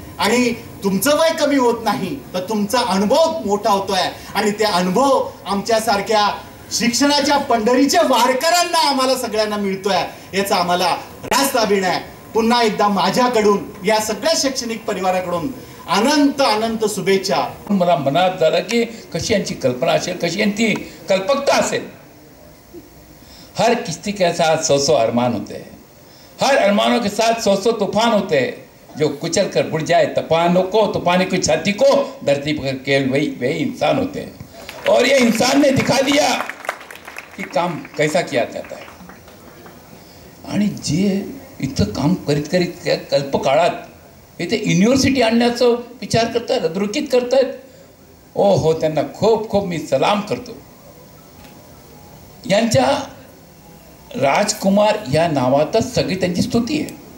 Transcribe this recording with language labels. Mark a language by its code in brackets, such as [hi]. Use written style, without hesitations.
[mr] आणि तुमचं वय कमी होत नाही तर तुमचा अनुभव मोठा होतोय आणि त्या अनुभव आमच्यासारख्या शिक्षणाच्या पंढरीच्या वारकऱ्यांना आम्हाला सगळ्यांना मिळतोय याचा आम्हाला रास्त अभिनय आहे. पुन्हा एकदा माझ्याकडून या सगळ्या शैक्षणिक परिवाराकडून अनंत अनंत शुभेच्छा. मला मनात झालं की कशी यांची कल्पना असेल, कशी यांची कल्पकता असेल. [hi] हर किस्ती के साथ सौ सौ अरमान होते हैं, हर अरमानों के साथ सौ सौ तूफान होते हैं, जो कुचल कर बुड़ जाए तूफानों को, तूफानी की छाती को धरती पर केवल वही वही इंसान होते हैं. और ये इंसान ने दिखा दिया कि काम कैसा किया जाता है. [mr] आणि जे इथं काम करीत करीत कल्प काळात इथे युनिव्हर्सिटी आणण्याचं विचार करतात, अद्रुकित करतात, ओ हो, त्यांना खूप खूप मी सलाम करतो. यांच्या राजकुमार या नावातच सगळी त्यांची स्तुती आहे.